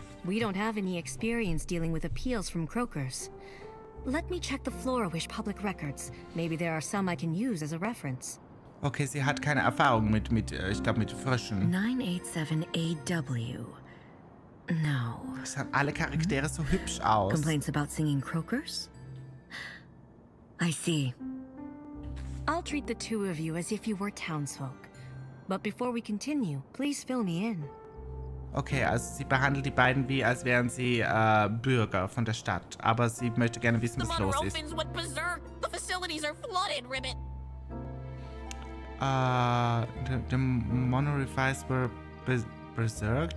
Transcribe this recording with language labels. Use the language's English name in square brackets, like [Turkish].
[English] We don't have any experience dealing with appeals from croakers. Let me check the Flora-Wish public records. Maybe there are some I can use as a reference. [German] Okay, sie hat keine Erfahrung mit ich glaube, mit Fröschen. 987AW. No. Sahen alle Charaktere so hübsch aus. [English] Complaints about singing croakers? I see. I'll treat the two of you as if you were townsfolk. But before we continue, please fill me in. [German] Okay, also sie behandelt die beiden wie, als wären sie Bürger von der Stadt. Aber sie möchte gerne wissen, was los ist. [English] The facilities are flooded, Ribbit. The monorifies were berserk.